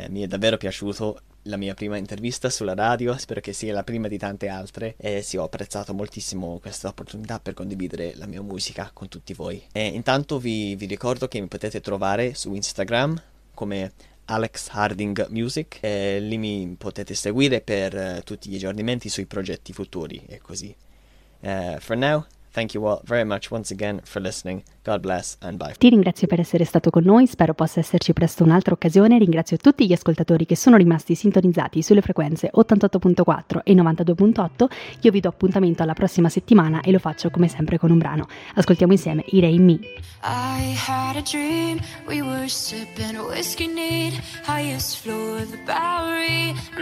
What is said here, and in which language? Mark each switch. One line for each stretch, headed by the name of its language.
Italian: Mi è davvero piaciuto la mia prima intervista sulla radio, spero che sia la prima di tante altre, e sì, ho apprezzato moltissimo questa opportunità per condividere la mia musica con tutti voi. E intanto vi ricordo che mi potete trovare su Instagram come Alex Harding Music, e lì mi potete seguire per tutti gli aggiornamenti sui progetti futuri e così.
English: For now, thank you all very much once again for listening. God bless and bye.
Italian: Ti ringrazio per essere stato con noi, spero possa esserci presto un'altra occasione. Ringrazio tutti gli ascoltatori che sono rimasti sintonizzati sulle frequenze 88.4 e 92.8. Io vi do appuntamento alla prossima settimana e lo faccio come sempre con un brano. Ascoltiamo insieme I Rain Me.
English: I had a dream, we were sipping whiskey neat, highest floor of the Bowery,